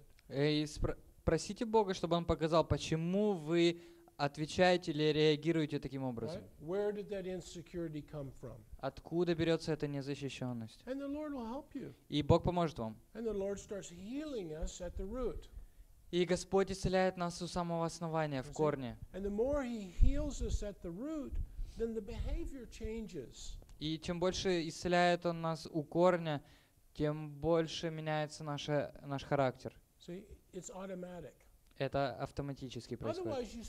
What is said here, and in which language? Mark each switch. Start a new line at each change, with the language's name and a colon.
Russian: И спросите Бога, чтобы Он показал, почему вы отвечаете или реагируете таким образом?
English: Right? Where did that insecurity come from?
Russian: Откуда берется эта незащищенность?
English: And the Lord will help you.
Russian: И Бог поможет вам.
English: And the Lord starts healing us at the root.
Russian: И Господь исцеляет нас у самого основания, в корне.
English: And the more He heals us at the root, then the behavior changes.
Russian: И чем больше исцеляет Он нас у корня, тем больше меняется наш характер.
English: See, it's automatic.
Russian: Это автоматически происходит.